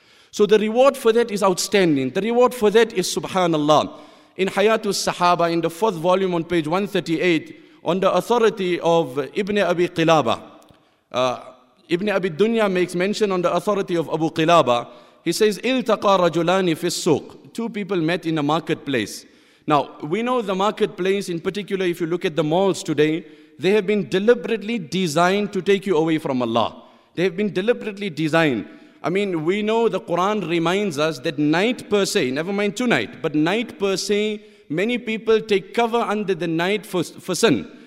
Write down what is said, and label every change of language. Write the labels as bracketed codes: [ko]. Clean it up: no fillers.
[en] So the reward for that is outstanding. The reward for that is subhanallah. In Hayatul Sahaba, in the fourth volume on page 138, on the authority of Ibn Abi Qilaba, Ibn Abi Dunya makes mention on the authority of Abu Qilaba. He says, [ar] إِلْتَقَى رَجُلَانِ فِي السُّوقِ. [en] Two people met in a marketplace. Now, we know the marketplace, in particular, if you look at the malls today, they have been deliberately designed to take you away from Allah. They have been deliberately designed. I mean, we know the Quran reminds us that night per se, never mind tonight, but night per se, many people take cover under the night for sin.